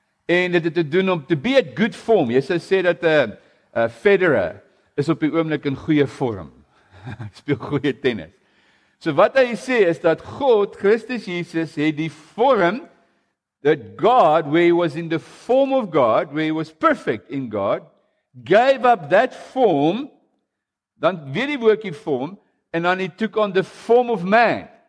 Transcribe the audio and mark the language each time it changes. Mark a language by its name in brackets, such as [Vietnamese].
[Afrikaans] En dit het te doen om te [English] be a good form. [Afrikaans] Jy sou sê dat Federer is op die oomblik in goeie vorm. Speel goeie tennis. So wat hy sê is dat God, Christus Jesus, het die vorm, [English] that God, where he was in the form of God, where he was perfect in God, gave up that form, [Afrikaans] dan weer die woordjie form, [English] and then he took on the form of man.